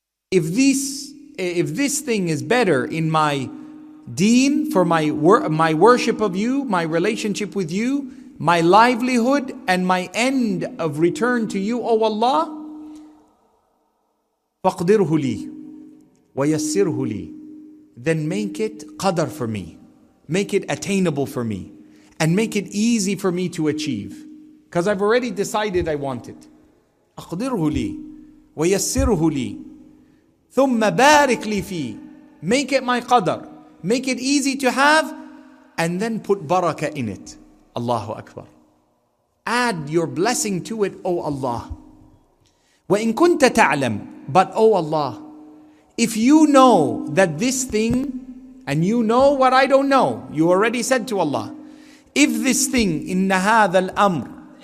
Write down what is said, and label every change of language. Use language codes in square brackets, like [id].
[en] If this thing is better in my deen, for my worship of you, my relationship with you, my livelihood, and my end of return to you, O Allah, [ar] فَقْدِرْهُ لِي وَيَسِّرْهُ لِي, [en] then make it qadr for me. Make it attainable for me. And make it easy for me to achieve. Because I've already decided I want it. [ar] أَقْدِرْهُ لِي وَيَسِّرْهُ لِي ثُمَّ بَارِكْ لِي فِي. [en] Make it my qadr. Make it easy to have. And then put barakah in it. Allahu Akbar. Add your blessing to it, O Allah. [ar] وَإِن كُنْتَ تَعْلَمْ. [en] But O Allah, if you know that this thing, and you know what I don't know, you already said to Allah, if this thing, [ar] إِنَّ هَذَا الْأَمْرْ